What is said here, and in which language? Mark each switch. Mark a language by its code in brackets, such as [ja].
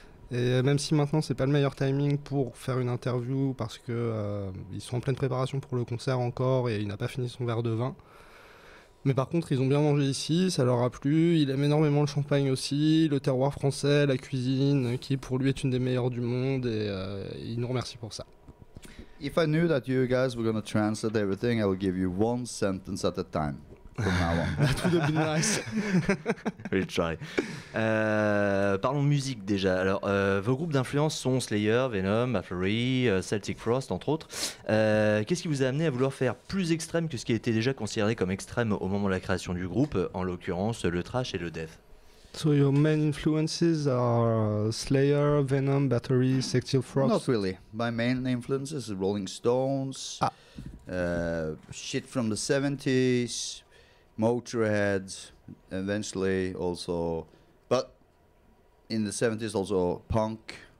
[fr] Et même si maintenant c'est pas le meilleur timing pour faire une interview parce que ils sont en pleine préparation pour le concert encore et il n'a pas fini son verre de vin. Mais par contre, ils ont bien mangé ici, ça leur a plu. Il aime énormément le champagne aussi, le terroir français, la cuisine qui pour lui est une des meilleures du monde et il nous remercie pour ça. [en] If I knew that you guys were gonna translate everything, I would give you one sentence at a time. That would have been nice. We'll try. [fr] Parlons de musique déjà. Alors, vos groupes d'influence sont Slayer, Venom, Avery, Celtic Frost, entre autres. Qu'est-ce qui vous a amené à vouloir faire plus extrême que ce qui était déjà considéré comme extrême au moment de la création du groupe, en l'occurrence le thrash et le death? [en] So your main influences are Slayer, Venom, Battery, Celtic Frost? Not really. My main influences are Rolling Stones, shit from the 70s, Motorhead, eventually also, but in the 70s also punk.